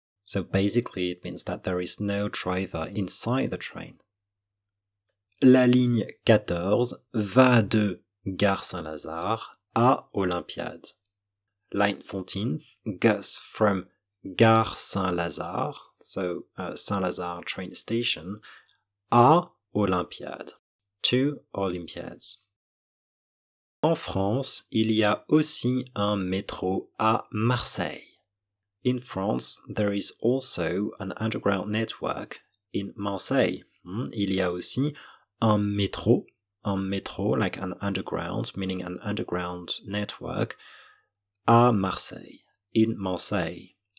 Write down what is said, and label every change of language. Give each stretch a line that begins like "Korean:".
English: So, basically, it means that there is no driver inside the train.
French: La ligne 14 va de Gare Saint-Lazare à Olympiade.
English: Line 14 goes from Gare Saint-Lazare, so Saint-Lazare train station,
French: à Olympiade,
English: to Olympiades.
French: En France, il y a aussi un métro à Marseille.
English: In France, there is also an underground network in Marseille.
French: Il y a aussi un métro,
English: like an underground, meaning an underground network,
French: à Marseille,
English: in Marseille.